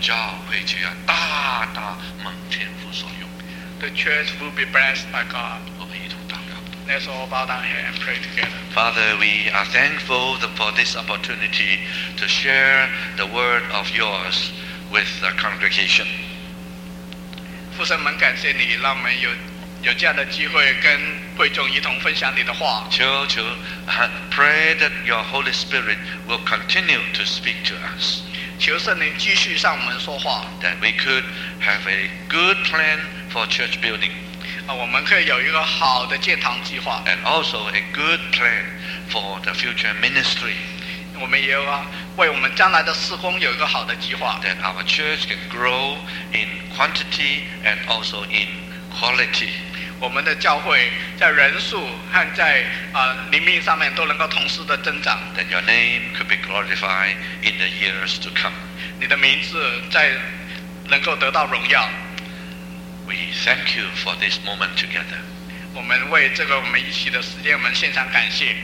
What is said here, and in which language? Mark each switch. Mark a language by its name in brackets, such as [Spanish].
[Chinese] 教会就要大大蒙天父所用, [English] the church will be blessed by God. [Chinese] 我们一同祷告, [English] let's all bow down here and pray together. Father, we are thankful for this opportunity to share the word of yours with the congregation. [Chinese] 父神们感谢你让我们有 有这样的机会跟会众一同分享你的话。求求, [English] pray that your Holy Spirit will continue to speak to us. [Chinese] 求圣灵继续向我们说话。 [English] That we could have a good plan for church building. [Chinese] 我们可以有一个好的建堂计划。 [English] And also a good plan for the future ministry. [Chinese] 我们也要为我们将来的事工有一个好的计划。 [English] That our church can grow in quantity and also in quality. [Chinese] 我们的教会在人数和在灵命上面都能够同时的增长。 [English] That your name could be glorified in the years to come. [Chinese] 你的名字能够得到荣耀。 [English] We thank you for this moment together. [Chinese] 我们为这个我们一起的时间我们献上感谢。